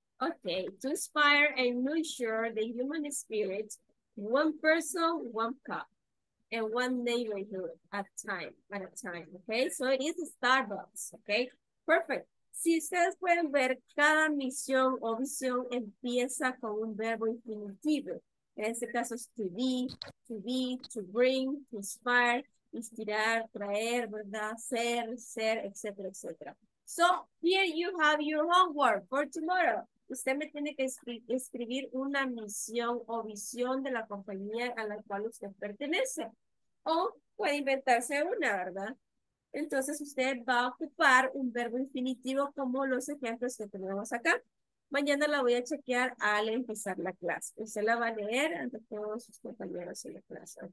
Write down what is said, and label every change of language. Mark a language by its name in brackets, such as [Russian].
[English] Okay, to inspire and nurture the human spirit, one person, one cup, and one neighborhood at a time, okay? So it is Starbucks, okay? Perfect. [Spanish] Si ustedes pueden ver, cada misión o visión empieza con un verbo infinitivo. En este caso es [English] to be, to bring, to inspire, [Spanish] inspirar, traer, ¿verdad? Ser, etcétera, etcétera. [English] So here you have your homework for tomorrow. [Spanish] Usted me tiene que escribir una misión o visión de la compañía a la cual usted pertenece. O puede inventarse una, ¿verdad? Entonces usted va a ocupar un verbo infinitivo como los ejemplos que tenemos acá. Mañana la voy a chequear al empezar la clase. Usted la va a leer ante todos sus compañeros en la clase, ¿ok?